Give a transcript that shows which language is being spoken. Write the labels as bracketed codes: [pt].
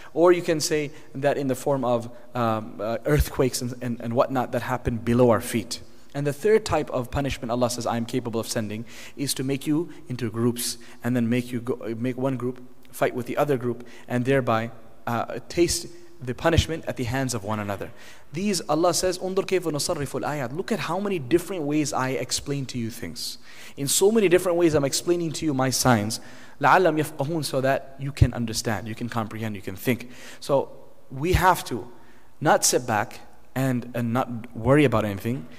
[en] Or you can say that in the form of earthquakes and whatnot that happen below our feet. And the third type of punishment Allah says I am capable of sending is to make you into groups, and then make one group fight with the other group, and thereby taste the punishment at the hands of one another. These, Allah says, [ar] انظر كيف نصرف الآيات. [en] Look at how many different ways I explain to you things. In so many different ways I'm explaining to you my signs. [ar] لعلم يفقهون, [en] so that you can understand, you can comprehend, you can think. So we have to not sit back and not worry about anything.